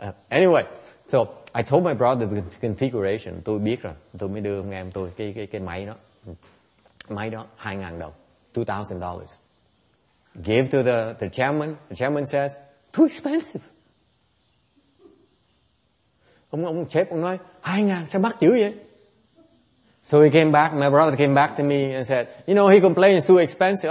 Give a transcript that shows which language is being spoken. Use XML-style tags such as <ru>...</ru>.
<en>Anyway, so I told my brother the configuration.</en> <vi>Tôi biết rồi. Tôi mới đưa ông em tôi cái máy đó. Máy đó,</vi> <en>$2,000. $2,000. Gave to the chairman. The chairman says, too expensive.</en> <vi>Ông chép, ông nói, 2,000, sao mắc dữ vậy?</vi> <en>So he came back, my brother came back to me and said, you know, he complains too expensive.</en>